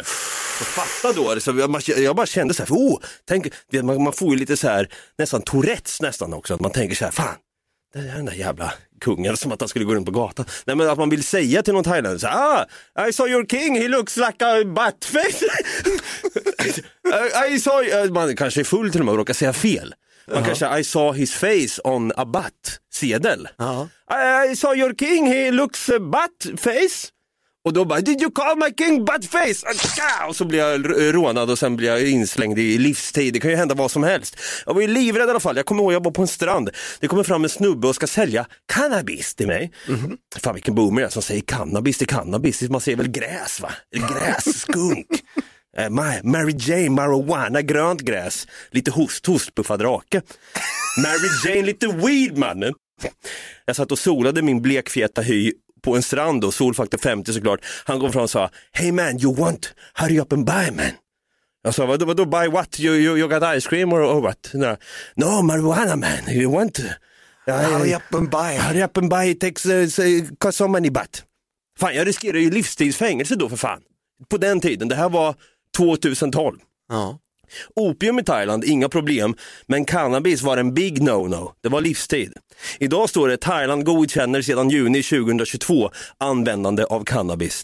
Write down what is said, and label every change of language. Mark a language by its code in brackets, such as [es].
[sv] Och fatta då, så jag bara kände så här, tänk, man får ju lite så här nästan Tourette nästan också, att man tänker så här, fan, det är den där jävla kungen som att han skulle gå runt på gatan. Nej, men att man vill säga till någon thailändare, [en] I saw your king, he looks like a bat face. I saw, [sv] man kanske är full till och med och råkar säga fel. Man uh-huh. kanske, [en] I saw his face on a bat sedel. Uh-huh. I saw your king, he looks a bat face. [sv] Och då bara, [en] did you call my king bat face? [sv] Och så blir jag rånad och sen blir jag inslängd i livstid. Det kan ju hända vad som helst. Jag var ju livrädd i alla fall. Jag kommer ihåg att jag var på en strand. Det kommer fram en snubbe och ska sälja cannabis till mig. Mm-hmm. Fan vilken boomer jag som säger cannabis till cannabis. Man säger väl gräs va? Gräs, skunk. Mary Jane, marijuana, grönt gräs. Lite host, buffad rake. Mary Jane, lite weed mannen. Jag satt och solade min blekfeta hy på en strand och solfaktor 50 såklart. Han kom fram och sa, [en] hey man, you want, hurry up and buy man. [sv] Jag sa, vadå, [en] buy what, you got ice cream or what? No, marijuana man, you want to. Hurry up and buy, it takes cost so many butt. [sv] Fan, jag riskerar ju livstidsfängelse då för fan. På den tiden, det här var 2012. Ja. Opium i Thailand, inga problem. Men cannabis var en [en] big no-no. [sv] Det var livstid. Idag står det Thailand godkänner sedan juni 2022 användande av cannabis.